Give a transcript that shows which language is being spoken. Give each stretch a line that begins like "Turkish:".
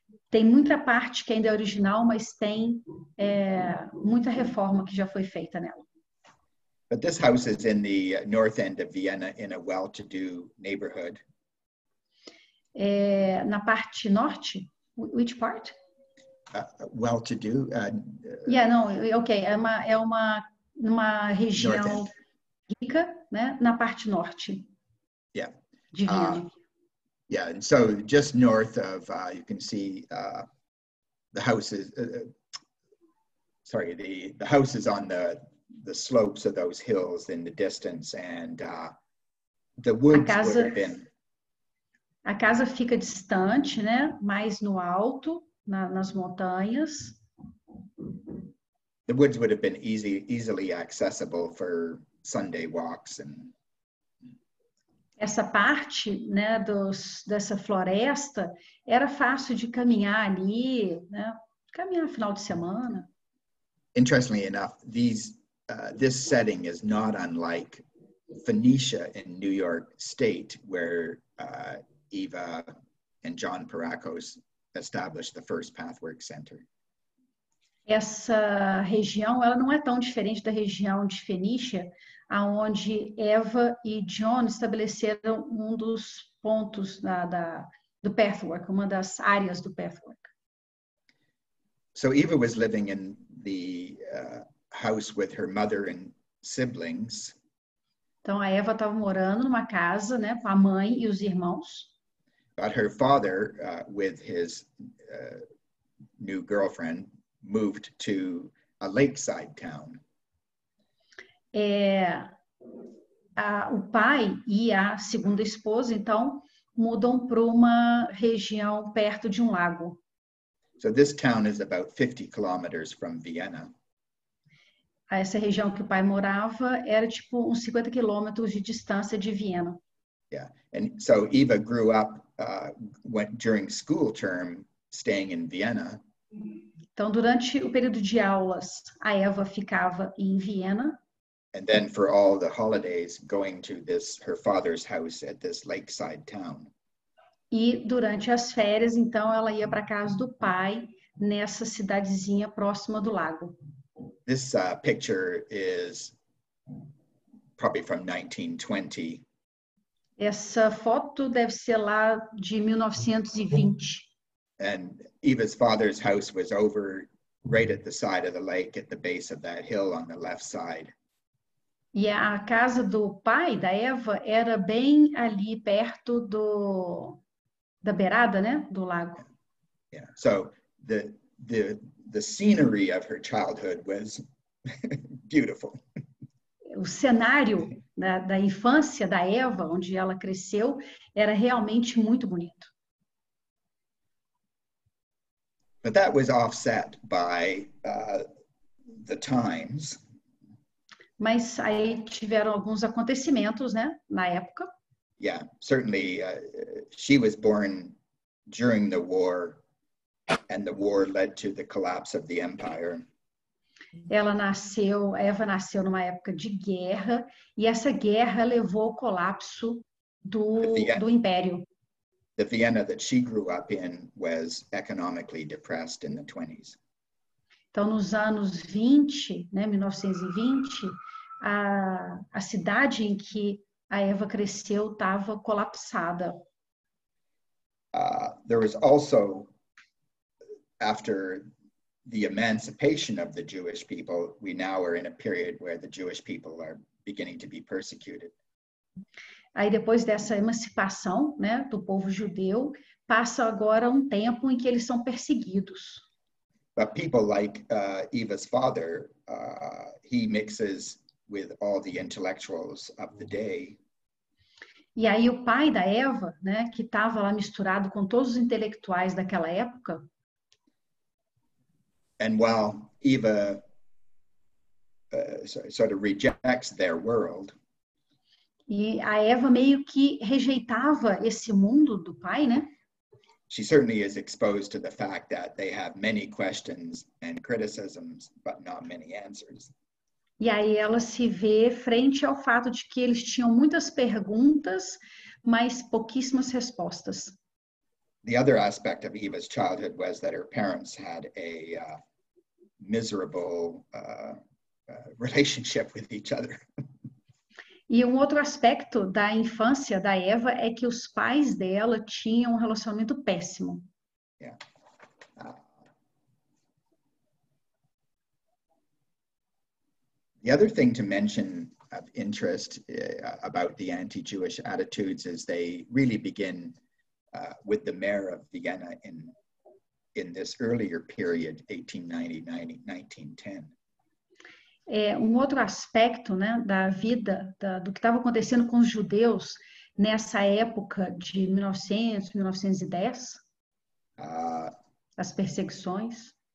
Portuguese: Tem muita parte que ainda é original, mas tem muita reforma que já foi feita nela.
English: But this house is in the north end of Vienna in a well-to-do neighborhood.
Portuguese: Na parte norte?
English: Which part? well-to-do. Yeah, no, okay.
Portuguese: É uma região rica, né, na parte norte.
English: Yeah.
Portuguese: De Vienna.
English: Yeah, and so just north of, you can see the houses. The house is on the slopes of those hills in the distance, and the woods
Portuguese: casa,
English: would have been.
Portuguese: A casa fica distante, né? Mais no alto, nas montanhas.
English: The woods would have been easily accessible for Sunday walks and.
Portuguese: Essa parte, né, dessa floresta era fácil de caminhar ali, né? Caminhar no final de semana.
English: Interestingly enough, this setting is not unlike Phoenicia in New York State, where Eva and John Perakos established the first Pathwork Center.
Portuguese: Essa região, ela não é tão diferente da região de Phoenicia, aonde Eva e John estabeleceram um dos pontos do Pathwork, uma das áreas do Pathwork.
English: So Eva was living in the house with her mother and siblings.
Portuguese: Então a Eva estava morando numa casa, né, com a mãe e os irmãos.
English: But her father, with his new girlfriend, moved to a lakeside town.
Portuguese: O pai e a segunda esposa, então, mudam para uma região perto de um lago.
English: So this town is about 50 kilometers from Vienna.
Portuguese: Essa região que o pai morava era tipo uns 50 quilômetros de distância de Vienna.
English: Yeah, and so Eva grew up during school term staying in Vienna.
Portuguese: Então, durante o período de aulas, a Eva ficava em Vienna.
English: And then for all the holidays, going to this her father's house at this lakeside town.
Portuguese: E durante as férias, então, ela ia para casa do pai nessa cidadezinha próxima do lago.
English: This picture is probably from 1920.
Portuguese: Essa foto deve ser lá de 1920.
English: And Eva's father's house was over right at the side of the lake at the base of that hill on the left side.
Portuguese: E a casa do pai da Eva era bem ali perto da beirada, né, do lago.
English: Yeah. So the scenery of her childhood was beautiful.
Portuguese: O cenário da infância da Eva, onde ela cresceu, era realmente muito bonito.
English: But that was offset by the times.
Portuguese: Mas aí tiveram alguns acontecimentos, né, na época.
English: Yeah, certainly she was born during the war, and the war led to the collapse of the empire.
Portuguese: Eva nasceu numa época de guerra, e essa guerra levou ao colapso do império.
English: The Vienna that she grew up in was economically depressed in the 20s.
Portuguese: Então, nos anos 20, né, 1920, a cidade em que a Eva cresceu estava colapsada.
English: There was also, after the emancipation of the Jewish people, we now are in a period where the Jewish people are beginning to be persecuted.
Portuguese: Aí depois dessa emancipação, né, do povo judeu, passa agora um tempo em que eles são perseguidos.
English: But people like Eva's father, he mixes with all the intellectuals of the day.
Portuguese: E aí o pai da Eva, né, que estava lá misturado com todos os intelectuais daquela época.
English: And while Eva sort of rejects their world.
Portuguese: E a Eva meio que rejeitava esse mundo do pai, né?
English: She certainly is exposed to the fact that they have many questions and criticisms, but not many answers.
Portuguese: E aí ela se vê frente ao fato de que eles tinham muitas perguntas, mas pouquíssimas respostas.
English: The other aspect of Eva's childhood was that her parents had a miserable relationship with each other.
Portuguese: E um outro aspecto da infância da Eva é que os pais dela tinham um relacionamento péssimo.
English: Yeah. The other thing to mention of interest about the anti-Jewish attitudes is they really begin with the mayor of Vienna in this earlier period, 1890-1910.
Portuguese: Um outro aspecto, né, da vida, do que estava acontecendo com os judeus nessa época de 1900-1910, as perseguições.